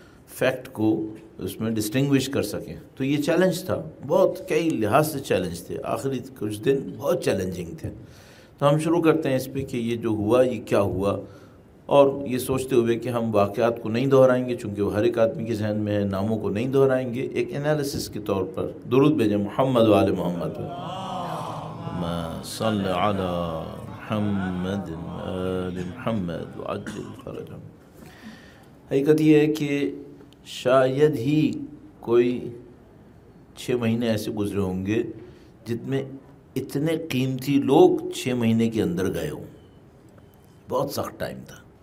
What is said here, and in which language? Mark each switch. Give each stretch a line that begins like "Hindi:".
Urdu: Fact کو اس میں distinguish کر سکیں تو یہ چیلنج تھا بہت کئی لحاظ سے چیلنج تھے آخری کچھ دن بہت چیلنجنگ تھے تو ہم شروع کرتے ہیں اس پہ کہ یہ جو ہوا یہ کیا ہوا اور یہ سوچتے ہوئے کہ ہم واقعات کو نہیں دہرائیں گے چونکہ وہ ہر ایک آدمی کے ذہن میں ہے ناموں کو نہیں دہرائیں گے ایک انالیسس کے طور پر درود بھیجیں محمد و آل محمد
Arabic: اللهم صل على محمد آل محمد وعجل فرجهم.
Urdu: حقیقت یہ ہے کہ شاید ہی کوئی 6 مہینے ایسے گزرے ہوں گے جت میں اتنے قیمتی لوگ 6 مہینے کے اندر گئے ہوں. بہت سخت ٹائم تھا.